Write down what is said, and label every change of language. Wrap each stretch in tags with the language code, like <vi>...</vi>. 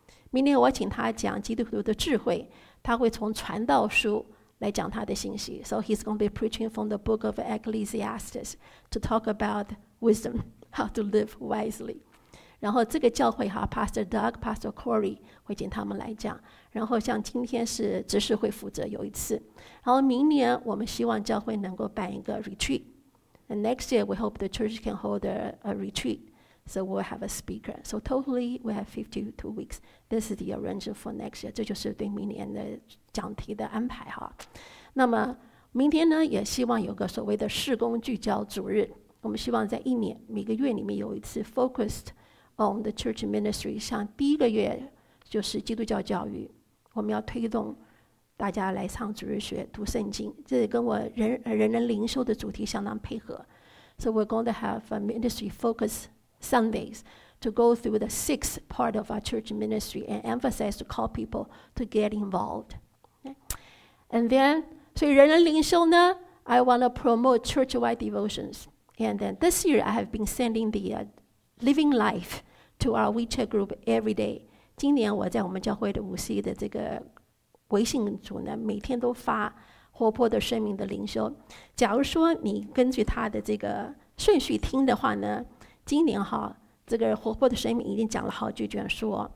<zh>明年我请他讲基督徒的智慧，他会从传道书来讲他的信息。</zh> <en>So he's going to be preaching from the book of Ecclesiastes to talk about wisdom, how to live wisely.</en> <zh>然后这个教会哈 Pastor Doug, Pastor Corey 会请他们来讲，然后像今天是执事会负责有一次，然后明年我们希望教会能够办一个 retreat.</zh> <en>And next year we hope the church can hold a retreat, so we'll have a speaker. So totally we have 52 weeks. This is the arrangement for next year.</en> <zh>这就是对明年的讲题的安排哈。那么明天呢，也希望有个所谓的事工聚焦主日，我们希望在一年每个月里面有一次</zh> <en>focused on the church ministry.</en> <zh>像第一个月就是基督教教育，我们要推动大家来上主日学读圣经，这跟我 人灵修的主题相当配合。</zh> <en>So we're going to have a ministry focus Sundays to go through the sixth part of our church ministry and emphasize to call people to get involved、okay? And then</en> <zh>所以人人灵修呢、</zh> <en>I want to promote church-wide devotions. And then this year, I have been sending the living life to our WeChat group every day.</en> <zh>今年我在我们教会的五 C 的这个微信组呢，每天都发活泼的生命的灵修。假如说你根据他的这个顺序听的话呢，今年哈，这个活泼的生命已经讲了好几卷书。</zh>